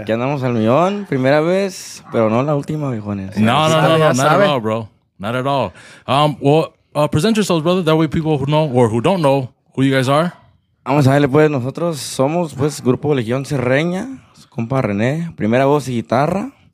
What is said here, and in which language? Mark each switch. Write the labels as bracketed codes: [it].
[es] Aquí andamos al millón, primera vez, pero no la última, viejones. [en] No. Not at all, bro. Not at all. Present yourselves, brother. That way people who know or who don't know who you guys are. [es] Vamos a verle, pues. Nosotros somos, pues, Grupo Legión Sirena, su compa René, primera voz y guitarra.